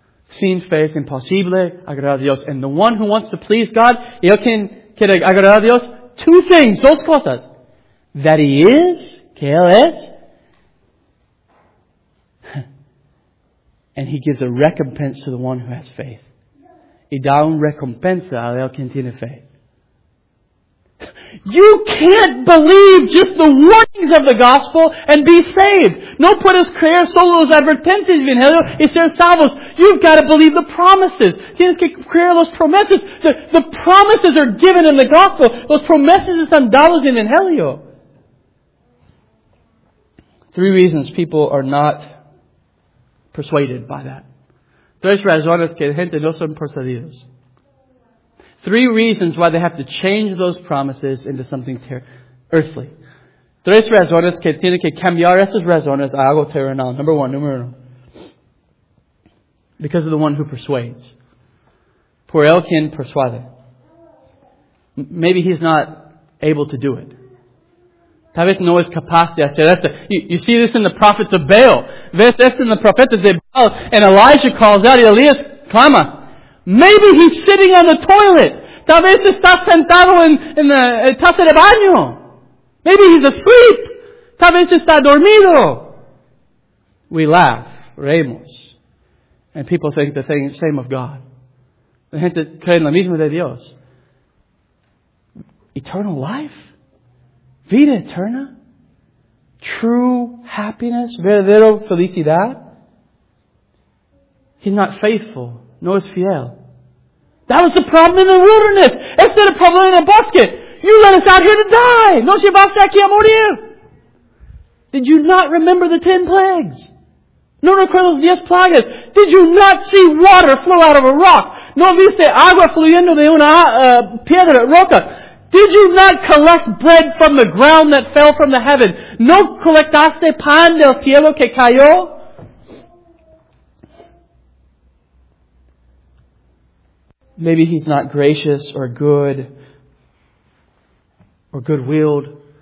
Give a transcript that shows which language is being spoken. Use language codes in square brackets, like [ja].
[es] Sin fe es imposible agradar a Dios. [en] And the one who wants to please God, [es] él quiere agradar a Dios. [en] Two things, [es] dos cosas. [en] That He is, [es] que Él es. [en] And He gives a recompense to the one who has faith. [es] Y da un recompensa a él quien tiene fe. [en] You can't believe just the warnings of the gospel and be saved. [es] No puedes creer solo los advertencias bien, y ser salvos. [en] You've got to believe the promises. [es] Tienes que creer las promesas. [en] The promises are given in the gospel. [es] Los promesas están dadas en el evangelio. [en] Three reasons people are not persuaded by that. [es] Tres razones que la gente no son persuadidos. [en] Three reasons why they have to change those promises into something earthly. [es] Tres razones que tiene que cambiar esas razones a algo terrenal. [en] Number one, [es] número uno. [en] Because of the one who persuades. [es] Por el quien persuade. [en] Maybe he's not able to do it. [es] Tal vez no es capaz de hacer eso. [en] You see this in the prophets of Baal. [es] Ves esto en los profetas de Baal. [en] And Elijah calls out, Elias, clama. Maybe he's sitting on the toilet. [es] Tal vez está sentado en la taza de baño. [en] Maybe he's asleep. [es] Tal vez está dormido. [en] We laugh, [es] reímos. [en] And people think the same of God. [es] La gente cree lo mismo de Dios. [en] Eternal life? [es] Vida eterna? [en] True happiness? [es] Verdadero felicidad? [en] He's not faithful. [es] No es fiel. [en] That was the problem in the wilderness. [es] Este era el problema en el bosque. [en] You let us out here to die. [es] Nos llevaste aquí a morir. [en] Did you not remember the 10 plagues? [es] No recuerdo las 10 plagas. [en] Did you not see water flow out of a rock? [es] No viste agua fluyendo de una piedra roca. [en] Did you not collect bread from the ground that fell from the heaven? [es] No colectaste pan del cielo que cayó? [en] Maybe he's not gracious or good or good-willed.